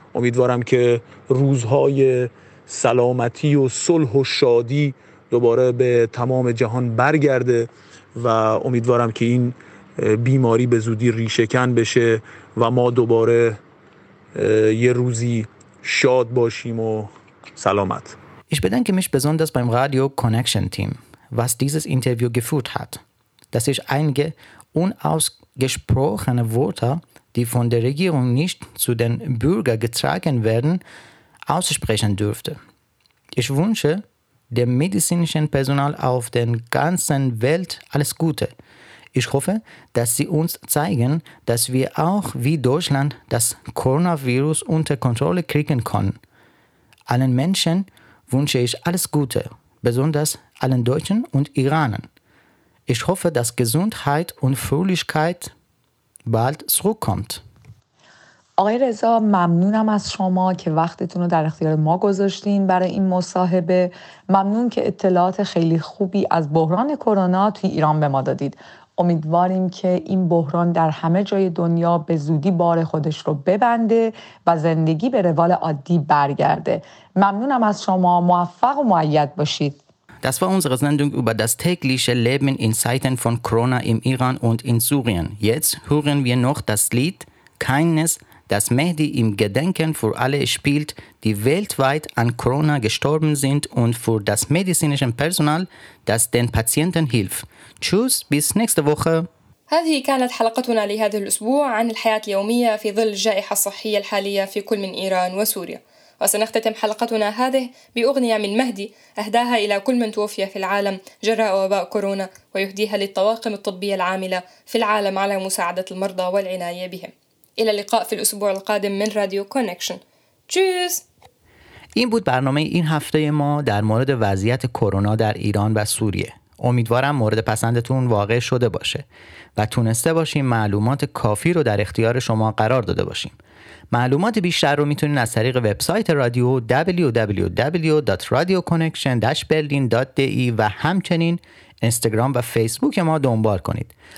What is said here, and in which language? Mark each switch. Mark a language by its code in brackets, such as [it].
[fa] امیدوارم که روزهای سلامتی و صلح و شادی دوباره به تمام جهان برگرده و امیدوارم که این بیماری به زودی ریشه‌کن بشه و ما دوباره یه روزی شاد باشیم و سلامت. [de] Ich bedanke mich besonders beim Radio Connection Team, was dieses Interview geführt hat. Dass ich einige unausgesprochene Worte, die von der Regierung nicht zu den Bürgern getragen werden, aussprechen dürfte. Ich wünsche dem medizinischen Personal auf der ganzen Welt alles Gute. Ich hoffe, dass sie uns zeigen, dass wir auch wie Deutschland das Coronavirus unter Kontrolle kriegen können. Allen Menschen wünsche ich alles Gute, besonders allen Deutschen und Iranern. Ich hoffe, dass Gesundheit und Fröhlichkeit bald zurückkommt. [fa] آقای رضا ممنونم از شما که وقتتون رو در اختیار ما گذاشتین برای این مصاحبه. ممنون که اطلاعات خیلی خوبی از بحران کرونا توی ایران به ما دادید. امیدواریم که این بحران در همه جای دنیا به زودی بار خودش رو ببنده و زندگی به روال عادی برگرده. ممنونم از شما. موفق و مؤید باشید. [de] Das war unsere Sendung über das tägliche Leben in Zeiten von Corona im Iran und in Syrien. Jetzt hören wir noch das Lied Kindness, das Mehdi im Gedenken für alle spielt, die weltweit an Corona gestorben sind und für das medizinische Personal, das den Patienten hilft. Tschüss, bis nächste Woche. [ar] هذه كانت حلقتنا لهذا الأسبوع عن الحياة اليومية في ظل الجائحة الصحية الحالية في كل من إيران وسوريا. وسنختتم حلقتنا هذه بأغنية من مهدي أهداها إلى كل من توفي في العالم جراء وباء كورونا ويهديها للطواقم الطبية العاملة في العالم على مساعدة المرضى والعناية بهم. إلى اللقاء في الأسبوع القادم من راديو كونكشن. [de] تشوز. [fa] این بود برنامه این هفته ما در مورد وضعیت کرونا در ایران و سوریه. امیدوارم مورد پسندتون واقع شده باشه و تونسته باشیم معلومات کافی رو در اختیار شما قرار داده باشیم. معلومات بیشتر رو میتونین از طریق وبسایت رادیو www.radioconnection-berlin.de و همچنین اینستاگرام و فیسبوک ما دنبال کنید.